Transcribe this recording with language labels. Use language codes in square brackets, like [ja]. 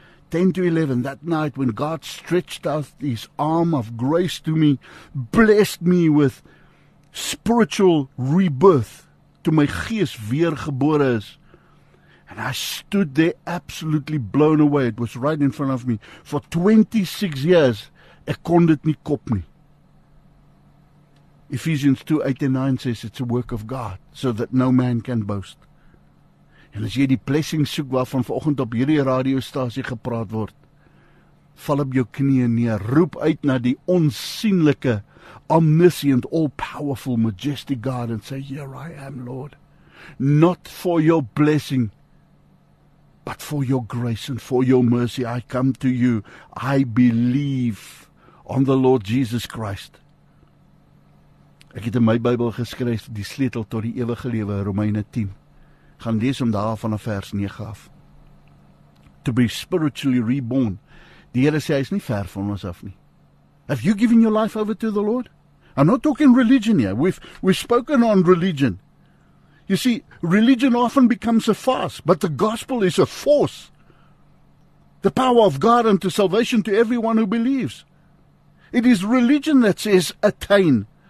[en] 10 to 11, that night when God stretched out his arm of grace to me, blessed me with spiritual rebirth, [af] to my gees weer gebore is. [en] And I stood there absolutely blown away. It was right in front of me. For 26 years, [af] ek kon dit nie kop nie. [en] Ephesians 2, 8 and 9 says, it's a work of God, so that no man can boast. [af] En as jy die blessing soek waarvan vanoggend op hierdie radiostasie gepraat word, val op jou knieë neer, roep uit na die onsienlike, [en] omniscient, all-powerful, majestic God, and say, here I am, Lord. Not for your blessing, but for your grace and for your mercy, I come to you. I believe on the Lord Jesus Christ. [af] Ek het in my Bybel geskryf, die sleutel tot die ewige lewe, Romeine 10. Gaan lees om daar van vers 9 af. [en] To be spiritually reborn. [af] Die Here sê, hy is nie ver van ons af nie. [en] Have you given your life over to the Lord? I'm not talking religion here. We've spoken on religion. You see, religion often becomes a farce, but the gospel is a force. The power of God unto salvation to everyone who believes. It is religion that says attain.